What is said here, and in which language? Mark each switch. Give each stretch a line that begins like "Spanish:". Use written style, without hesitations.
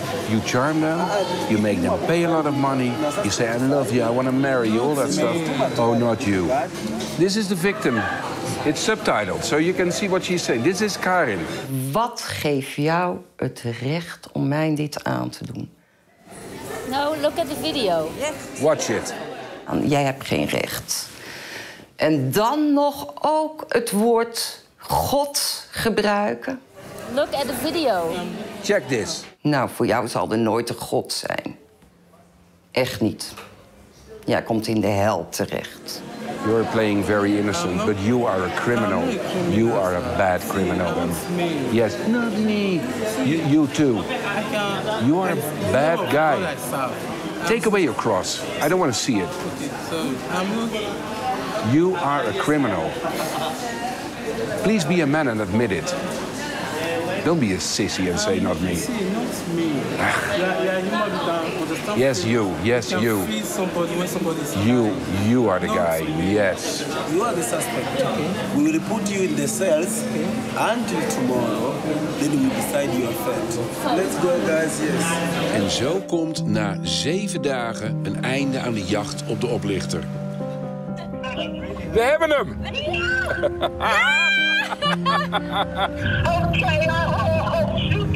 English: You charm them, you make them pay a lot of money, you say, I love you, I want to marry you, all that stuff. Oh, not you. This is the victim. It's subtitled, so you can see what she's saying. This is Karin.
Dutch: Wat geeft jou het recht om mij dit aan te doen?
English: No, look at the video. Watch it.
Dutch: Jij hebt geen recht. En dan nog ook het woord God gebruiken.
English: Look at the video. Check this.
Dutch: Nou, voor jou zal er nooit een God zijn. Echt niet. Jij komt in de hel terecht.
English: You are playing very innocent, but you are a criminal. You are a bad criminal. Yes, not me. You too. You are a bad guy. Take away your cross. I don't want to see it. You are a criminal. Please be a man and admit it. Don't be a sissy and say not me. Yes, you. Yes, you. You are the guy. Yes. You are the suspect. We will put you in the cells until tomorrow. Then we decide your fate. Let's go, guys. Yes.
Dutch: En zo komt na 7 dagen een einde aan de jacht op de oplichter. We hebben hem.
English: Okay.